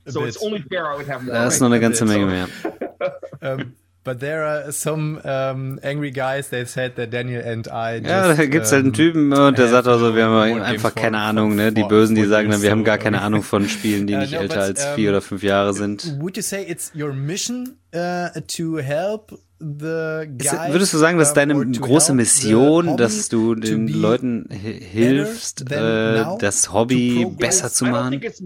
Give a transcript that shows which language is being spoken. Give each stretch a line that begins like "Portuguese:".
German: Das ist noch eine ganze Menge mehr.
English: But there are some angry guys, they said that Daniel and I just,
German: ja, da gibt es halt einen Typen und der sagt auch so, wir haben einfach keine Ahnung, ne? Die Bösen, die sagen dann, wir haben gar keine Ahnung von Spielen, die nicht älter als 4 oder 5 Jahre sind.
English: Would you say it's your mission to help the guys?
German: Würdest du sagen, das ist deine große Mission, dass du den Leuten hilfst, das Hobby besser zu machen?